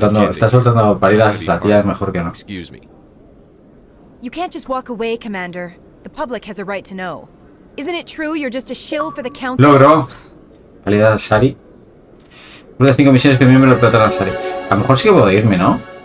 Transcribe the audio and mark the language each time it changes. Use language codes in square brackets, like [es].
[es] Está soltando paridas, la tía es mejor que no. [en] You can't just walk away, Commander. The public has a right to know. Isn't it true you're just a shill for the council? [es] Logro. Paridas a Sari. Una de 5 misiones que miembro del pelotón a Sari. A lo mejor sí que puedo irme, ¿no?